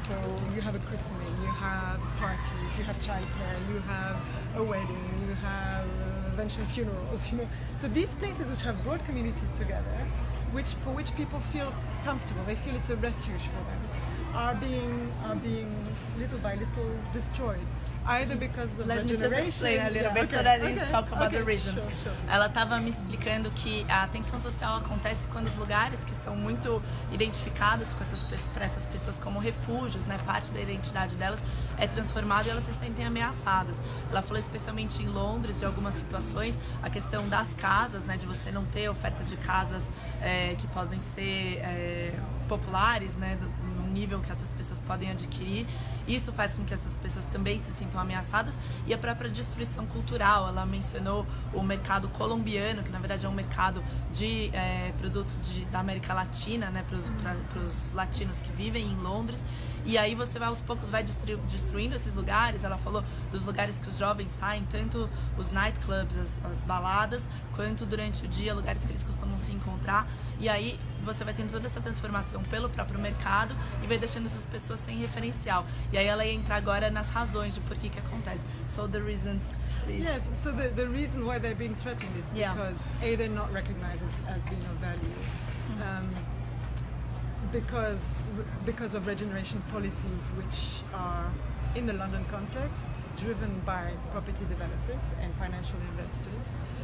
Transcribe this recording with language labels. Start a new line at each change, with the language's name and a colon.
English: So you have a christening, you have parties, you have childcare, you have a wedding, you have eventually funerals, you know. So these places which have brought communities together, for which people feel comfortable, they feel it's a refuge for them, are being little by little destroyed. Either because of Let me just explain a little bit so that we can talk about the reasons. Sure.
Portuguese: Ela estava me explicando que a tensão social acontece quando os lugares que são muito identificados para essas pessoas como refúgios, né, parte da identidade delas, é transformado e elas se sentem ameaçadas. Ela falou especialmente em Londres, de algumas situações, a questão das casas, né, de você não ter oferta de casas que podem ser populares, né, no nível que essas pessoas podem adquirir. Isso faz com que essas pessoas também se sintam ameaçadas, e a própria destruição cultural. Ela mencionou o mercado colombiano, que na verdade é um mercado de produtos da América Latina, né, para os latinos que vivem em Londres. E aí você vai aos poucos vai destruindo esses lugares. Ela falou dos lugares que os jovens saem, tanto os nightclubs, as baladas, quanto durante o dia, lugares que eles costumam se encontrar. E aí você vai tendo toda essa transformação pelo próprio mercado e vai deixando essas pessoas sem referencial. E aí ela ia entrar agora nas razões de por que acontece.
English: So the reasons, please. Yes, so the reason why they're being threatened is because A, they're not recognized as being of value. Because of regeneration policies which are, in the London context, driven by property developers and financial investors.